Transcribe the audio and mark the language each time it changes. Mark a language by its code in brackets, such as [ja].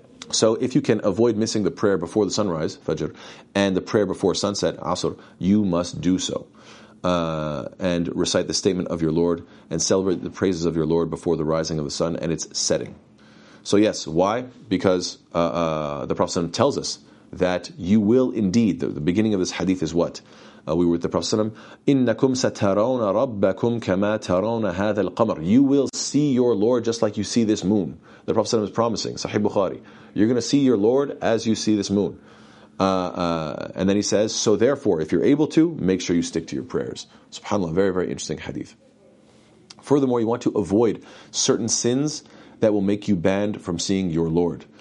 [en] So if you can avoid missing the prayer before the sunrise, Fajr, and the prayer before sunset, Asr, you must do so. And recite the statement of your Lord and celebrate the praises of your Lord before the rising of the sun and its setting. So yes, why? Because the Prophet ﷺ tells us that you will indeed, the beginning of this hadith is what? We were with the Prophet ﷺ, [ar] إِنَّكُمْ سَتَرَوْنَ رَبَّكُمْ كَمَا تَرَوْنَ هَذَا الْقَمَرِ. [en] You will see your Lord just like you see this moon. The Prophet ﷺ is promising, Sahih Bukhari. You're going to see your Lord as you see this moon. And then he says, so therefore, if you're able to, make sure you stick to your prayers. SubhanAllah, very, very interesting hadith. Furthermore, you want to avoid certain sins that will make you banned from seeing your Lord.